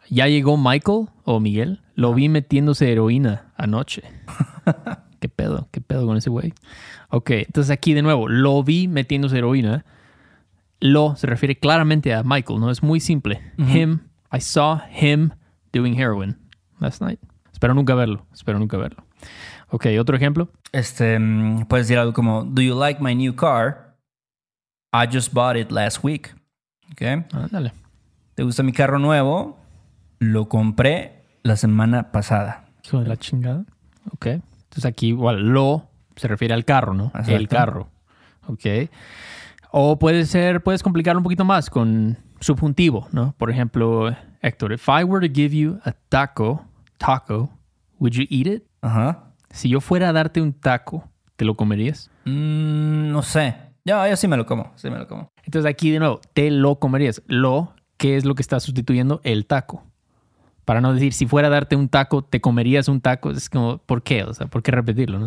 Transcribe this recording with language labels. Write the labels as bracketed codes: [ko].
[es] ¿Ya llegó Michael o Miguel? Lo vi metiéndose heroína anoche. ¿Qué pedo? ¿Qué pedo con ese güey? Ok, entonces aquí de nuevo, lo vi metiéndose heroína. Lo se refiere claramente a Michael, ¿no? Es muy simple. Mm-hmm. [en] Him, I saw him doing heroin last night. [es] Espero nunca verlo, espero nunca verlo. Ok, ¿otro ejemplo? Puedes decir algo como, [en] do you like my new car? I just bought it last week. Ok. [es] Ándale. ¿Te gusta mi carro nuevo? Lo compré la semana pasada. Hijo de la chingada. Ok. Entonces aquí igual, lo se refiere al carro, ¿no? Exacto. El carro. Ok. O puedes complicarlo un poquito más con subjuntivo, ¿no? Por ejemplo, Héctor, [en] if I were to give you a taco, would you eat it? [es] Ajá. Si yo fuera a darte un taco, ¿te lo comerías? No sé. Yo sí me lo como. Entonces aquí de nuevo, te lo comerías. Lo, ¿qué es lo que está sustituyendo? El taco. Para no decir, si fuera a darte un taco, ¿te comerías un taco? Es como, ¿por qué? O sea, ¿por qué repetirlo? ¿No?